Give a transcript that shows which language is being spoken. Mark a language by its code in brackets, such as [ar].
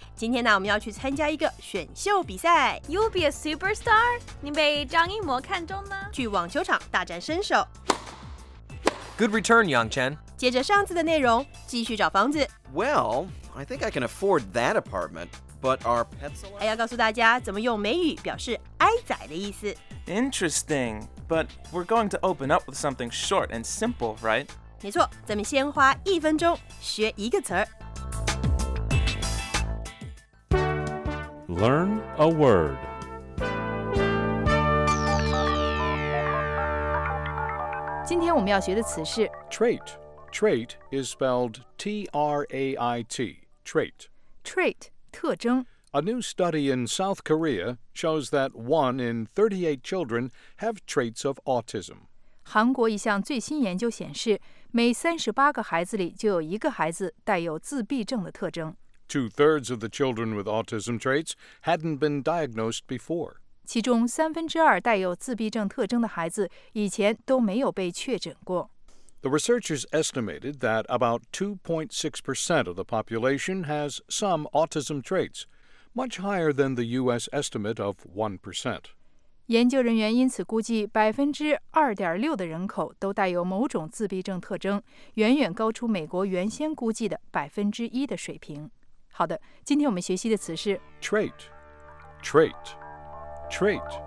[zh] 今天呢，我们要去参加一个选秀比赛。 [en] You'll be a superstar? [zh] 你被张艺谋看中呢？去网球场大展身手。 [en] Good return, Yang Chen. [zh] 接着上次的内容，继续找房子。 [en] Well, I think I can afford that apartment, but our pets... [zh] 还要告诉大家怎么用美语表示哀哉的意思。 [en] Interesting, but we're going to open up with something short and simple, right? [zh] 没错，咱们先花一分钟学一个词儿。 [en] Learn a word. Today we're going to learn the word is trait. Trait is spelled T-R-A-I-T. Trait. Trait, 特征 A new study in South Korea shows that 1 in 38 children have traits of autism. [zh] 韩国一项最新研究显示，每38个孩子里就有一个孩子带有自闭症的特征。 [en] 2/3 of the children with autism traits hadn't been diagnosed before. [zh] 其中2/3带有自闭症特征的孩子以前都没有被确诊过。 [en] The researchers estimated that about 2.6% of the population has some autism traits, much higher than the U.S. estimate of 1%. [zh] 研究人员因此估计 2.6% 的人口都带有某种自闭症特征，远远高出美国原先估计的 1% 的水平。好的，今天我们学习的词是 [en] trait, trait, trait.